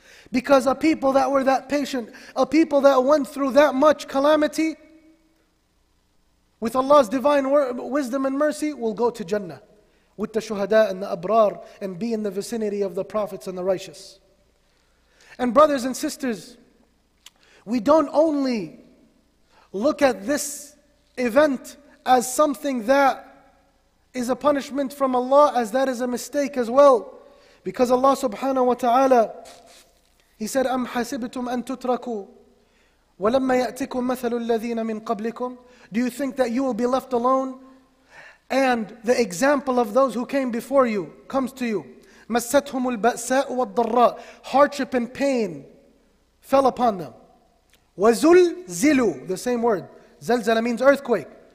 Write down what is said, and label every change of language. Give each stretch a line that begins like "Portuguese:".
English: Because a people that were that patient, a people that went through that much calamity, with Allah's divine wisdom and mercy, will go to Jannah with the shuhada and the abrar and be in the vicinity of the prophets and the righteous. And brothers and sisters, we don't only look at this event as something that is a punishment from Allah, as that is a mistake as well. Because Allah subhanahu wa ta'ala, He said,
Arabic: أَمْ حَسِبْتُمْ أَن تُتْرَكُوا وَلَمَّا يَأْتِكُمْ مَثَلُ الَّذِينَ مِنْ قَبْلِكُمْ.
English: Do you think that you will be left alone and the example of those who came before you comes to you?
Arabic: مَسَّتْهُمُ الْبَأْسَاءُ وَالضَّرَّاءُ.
English: Hardship and pain fell upon them.
Arabic: وَزُلْزِلُوا.
English: The same word. زَلْزَلَ means earthquake.